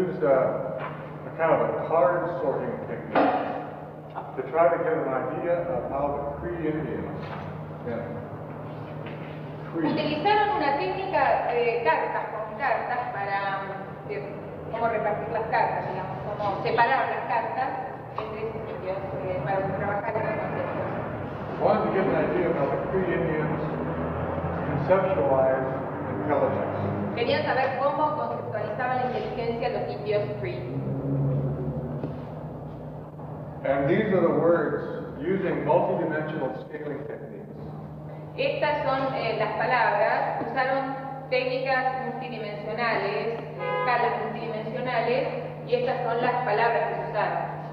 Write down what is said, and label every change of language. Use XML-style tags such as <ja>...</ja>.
<en>Used a kind of a card sorting technique to try to get an idea of how the Cree Indians</en> <es>utilizaron una técnica de cartas con cartas para cómo repartir las cartas, digamos, cómo separar las cartas entre sus indios para trabajar en el concepto.</es> <en>Wanted to get an idea of how the Cree Indians conceptualized intelligence.</en> <es>Querían saber cómo conceptualizaban la inteligencia los indios Cree.</es> <en>And these are the words using multidimensional scaling techniques.</en> <es>Estas son las palabras, usaron técnicas multidimensionales, escalas multidimensionales, y estas son las palabras que usaron.</es>